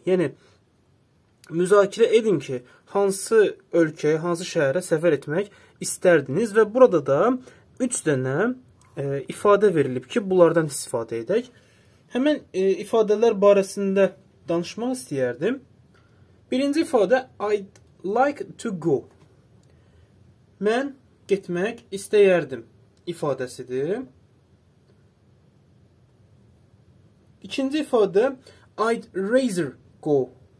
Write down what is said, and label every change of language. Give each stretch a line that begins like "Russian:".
Azerbaijani: Yəni, müzakirə edin ki, hansı ölkəyə, hansı şəhərə səfər etmək istərdiniz. Və burada da 3 dənə ifadə verilib ki, bunlardan istifadə edək. Həmin ifadələr barəsində danışmaq istəyərdim. Birinci ifadə,
English: I'd like to go.
Azerbaijani: Mən getmək istəyərdim ifadəsidir. İkinci ifadə,
English: I'd rather go.